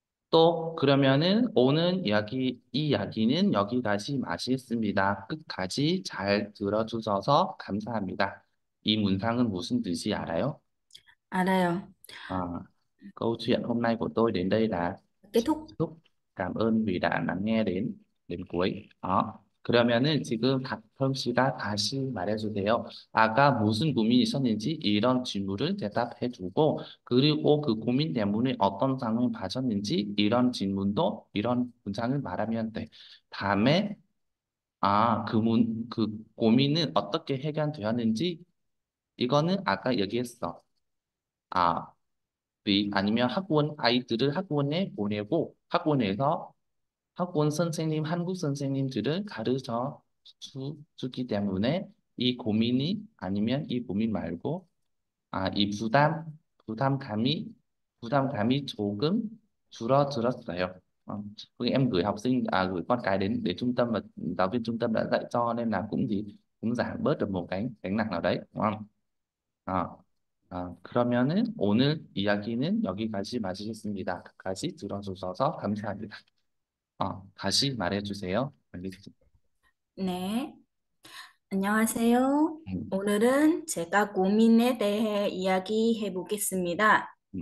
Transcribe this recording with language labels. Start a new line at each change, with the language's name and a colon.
Vietnamese: Tốt,
Korean: 그러면은 오늘 이야기는 여기까지 마치겠습니다. 끝까지 잘 들어주셔서 감사합니다. 이 문장은 무슨 뜻이 알아요? 알아요.
Vietnamese: câu chuyện hôm nay của tôi đến đây là Kết thúc.
Korean: 계속.
Vietnamese: Cảm ơn vì đã lắng nghe đến đến cuối.
Korean: 그러면은 지금 박형 씨가 다시 말해주세요. 아까 무슨 고민이 있었는지 이런 질문을 대답해주고, 그리고 그 고민 때문에 어떤 상황을 봐줬는지 이런 질문도 이런 문장을 말하면 돼. 다음에 그 고민은 어떻게 해결되었는지 이거는 아까 얘기했어. 아니면 학원 아이들을 학원에 보내고 학원에서 학원 선생님, 한국 선생님들을 가르쳐 주기 때문에 이 고민이 아니면 이 고민 말고 이 부담감이 조금 줄어들었어요.
Vietnamese: 그 em gửi học sinh à gửi con cái đến để trung tâm và giáo viên trung tâm đã dạy cho nên là cũng gì cũng giảm bớt được một cái gánh nặng nào đấy đúng không?
Korean: 그러면은 오늘 이야기는 여기까지 마치겠습니다. 같이 들어주셔서 감사합니다. 다시 말해주세요. 네. 안녕하세요. 오늘은 제가 고민에 대해 이야기해 보겠습니다.